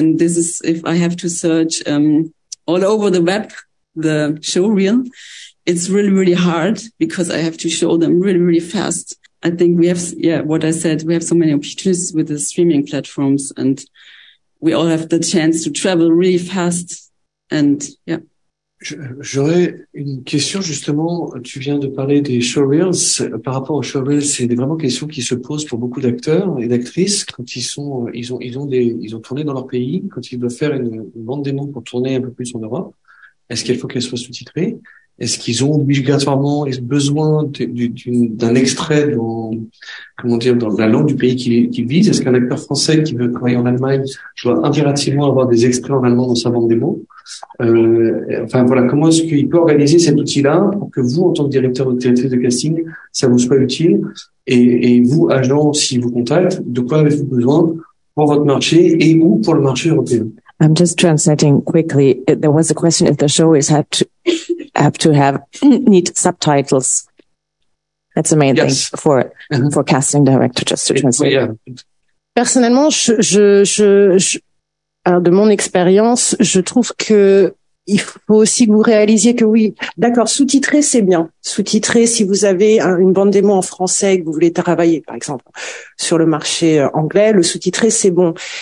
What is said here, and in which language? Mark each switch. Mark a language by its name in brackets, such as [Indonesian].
[English] And this is if I have to search, all over the web, the showreel, it's really, really hard because I have to show them really, really fast. I think we have, what I said, we have so many opportunities with the streaming platforms and we all have the chance to travel really fast. And yeah. [French] J'aurais une question justement, tu viens de parler des showreels, par rapport aux showreels, c'est vraiment une question qui se pose pour beaucoup d'acteurs et d'actrices quand ils ont tourné dans leur pays, quand ils doivent faire une bande démo pour tourner un peu plus en Europe, est-ce qu'il faut qu'elle soit sous-titrée? Est-ce qu'ils ont obligatoirement besoin d'un extrait dans la langue du pays qu'ils visent? Est-ce qu'un acteur français qui veut travailler en Allemagne doit impérativement avoir des extraits en allemand dans sa bande démo? Comment est-ce qu'il peut organiser cet outil-là pour que vous, en tant que directeur ou directrice de casting, ça vous soit utile? Et vous, agent, si vous contacte, de quoi avez-vous besoin pour votre marché et ou pour le marché européen? [English] I'm just translating quickly. There was a question if the show is had to... have to have neat subtitles. That's the main thing for casting director, just to translate. Yeah. [French] Personnellement, de mon expérience, je trouve que il faut aussi que vous réalisiez que oui, d'accord, sous-titrer, c'est bien. Sous-titrer, si vous avez une bande démo en français et que vous voulez travailler, par exemple, sur le marché anglais, le sous-titrer, c'est bon.